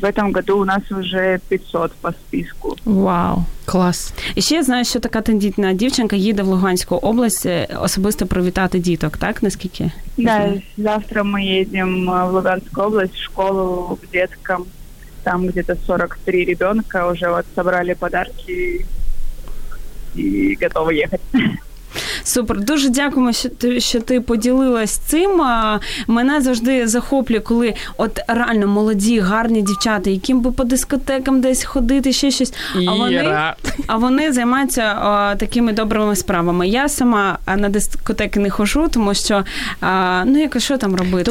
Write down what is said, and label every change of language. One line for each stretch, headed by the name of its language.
Russian: В этом году у нас уже 500 по списку.
Ukrainian: Вау, клас. І ще я знаю, що така тендітна дівчинка їде в Луганську область особисто привітати діток, так? Наскільки? Да, завтра ми їдемо в Луганську область, в школу
Russian: к деткам. Там где-то 43 ребенка уже вот собрали подарки и готовы ехать.
Ukrainian: Супер. Дуже дякуємо, що ти поділилась цим. Мене завжди захоплює, коли от реально молоді, гарні дівчата, яким би по дискотекам десь ходити, ще щось. А вони займаються такими добрими справами. Я сама на дискотеки не хожу, тому що, що там робити?